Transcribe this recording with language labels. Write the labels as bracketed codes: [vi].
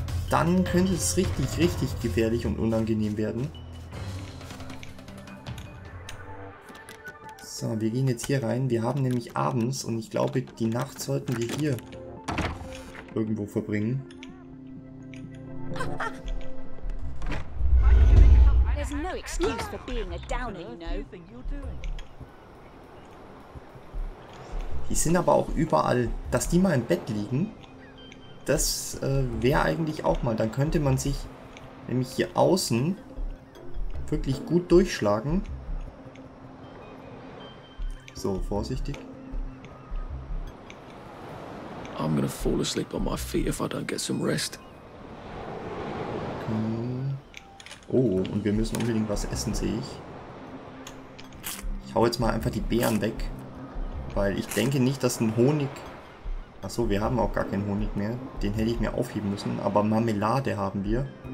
[de] Dann könnte es richtig, richtig gefährlich und unangenehm werden. So, wir gehen jetzt hier rein. Wir haben nämlich abends und ich glaube, die Nacht sollten wir hier irgendwo verbringen. [en] There's no excuse for being a downer, you know. [de] Die sind aber auch überall. Dass die mal im Bett liegen, das wäre eigentlich auch mal. Dann könnte man sich nämlich hier außen wirklich gut durchschlagen. So, vorsichtig. [en] I'm gonna fall asleep on my feet if I don't get some rest. [de] Oh, und wir müssen unbedingt was essen, sehe ich. Ich hau jetzt mal einfach die Beeren weg. Weil ich denke nicht, dass ein Honig... Achso, wir haben auch gar keinen Honig mehr. Den hätte ich mir aufheben müssen. Aber Marmelade haben wir.